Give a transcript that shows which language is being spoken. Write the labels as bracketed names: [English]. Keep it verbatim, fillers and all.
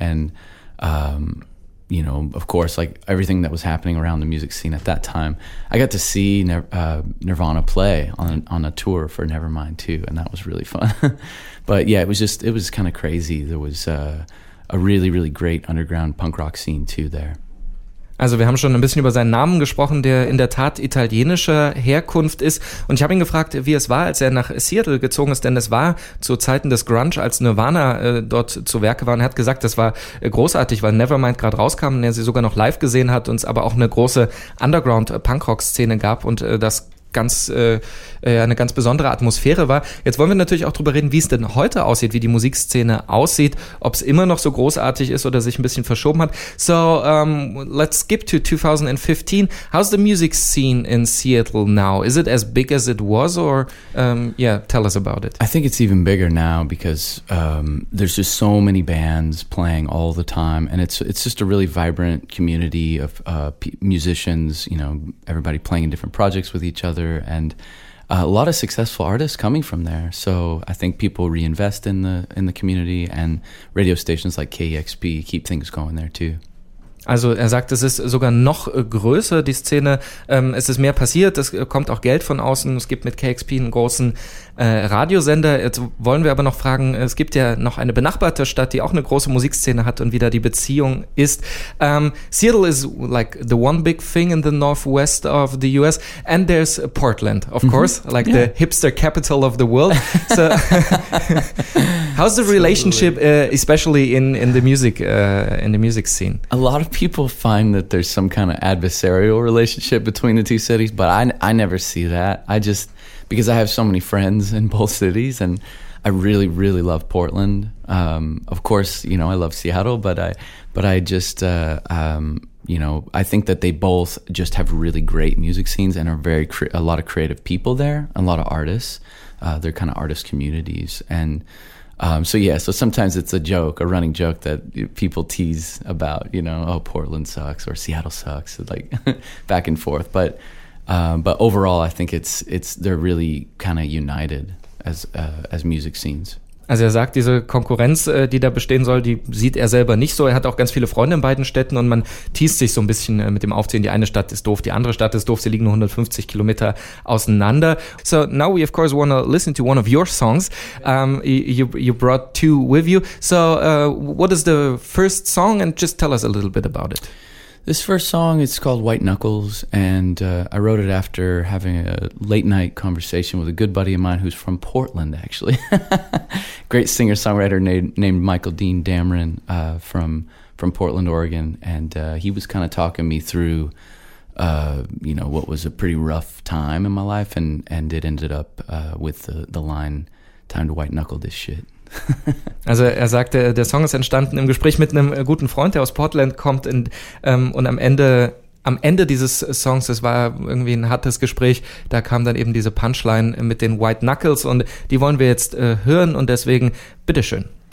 [English] And, um, you know, of course, like everything that was happening around the music scene at that time, I got to see Nir- uh, Nirvana play on, on a tour for Nevermind, too. And that was really fun. But, yeah, it was just it was kind of crazy. There was uh, a really, really great underground punk rock scene, too, there. [German] Also wir haben schon ein bisschen über seinen Namen gesprochen, der in der Tat italienischer Herkunft ist. Und ich habe ihn gefragt, wie es war, als er nach Seattle gezogen ist. Denn es war zu Zeiten des Grunge, als Nirvana äh, dort zu Werke war. Und er hat gesagt, das war äh, großartig, weil Nevermind gerade rauskam und er sie sogar noch live gesehen hat. Und es aber auch eine große Underground-Punkrock-Szene gab und äh, das ganz äh, eine ganz besondere Atmosphäre war. Jetzt wollen wir natürlich auch drüber reden, wie es denn heute aussieht, wie die Musikszene aussieht, ob es immer noch so großartig ist oder sich ein bisschen verschoben hat. [English] So, um, let's skip to twenty fifteen. How's the music scene in Seattle now? Is it as big as it was or, um, yeah, tell us about it. I think it's even bigger now because um, there's just so many bands playing all the time and it's it's just a really vibrant community of uh, p- musicians, you know, everybody playing in different projects with each other. And uh, a lot of successful artists coming from there, so I think people reinvest in the in the community, and radio stations like K E X P keep things going there too. [German] Also er sagt, es ist sogar noch größer, die Szene, ähm, es ist mehr passiert, es kommt auch Geld von außen, es gibt mit K X P einen großen äh, Radiosender. Jetzt wollen wir aber noch fragen, es gibt ja noch eine benachbarte Stadt, die auch eine große Musikszene hat und wieder die Beziehung ist. [English] Um, Seattle is like the one big thing in the northwest of the U S and there's Portland, of mm-hmm. course, like yeah. the hipster capital of the world. So how's the relationship, uh, especially in in the music uh, in the music scene? A lot of people find that there's some kind of adversarial relationship between the two cities, but I I never see that. I just because I have so many friends in both cities, and I really really love Portland. Um, of course, you know I love Seattle, but I but I just uh, um, you know I think that they both just have really great music scenes and are very cre- a lot of creative people there, a lot of artists. Uh, they're kind of artist communities and. Um, so yeah, so sometimes it's a joke, a running joke that people tease about, you know, oh, Portland sucks or Seattle sucks, like back and forth. But um, but overall, I think it's it's they're really kind of united as uh, as music scenes. [German] Also er sagt, diese Konkurrenz, die da bestehen soll, die sieht er selber nicht so. Er hat auch ganz viele Freunde in beiden Städten und man teast sich so ein bisschen mit dem Aufziehen. Die eine Stadt ist doof, die andere Stadt ist doof. Sie liegen nur hundertfünfzig Kilometer auseinander. [English] So now we of course want to listen to one of your songs. Um, you, you brought two with you. So uh, what is the first song and just tell us a little bit about it. This first song, it's called White Knuckles, and uh, I wrote it after having a late-night conversation with a good buddy of mine who's from Portland, actually. Great singer-songwriter named, named Michael Dean Dameron uh, from from Portland, Oregon, and uh, he was kind of talking me through, uh, you know, what was a pretty rough time in my life, and, and it ended up uh, with the, the line, time to white-knuckle this shit. [German] Also er sagte, der Song ist entstanden im Gespräch mit einem guten Freund, der aus Portland kommt in, ähm, und am Ende am Ende dieses Songs, das war irgendwie ein hartes Gespräch, da kam dann eben diese Punchline mit den White Knuckles und die wollen wir jetzt äh, hören und deswegen, bitteschön.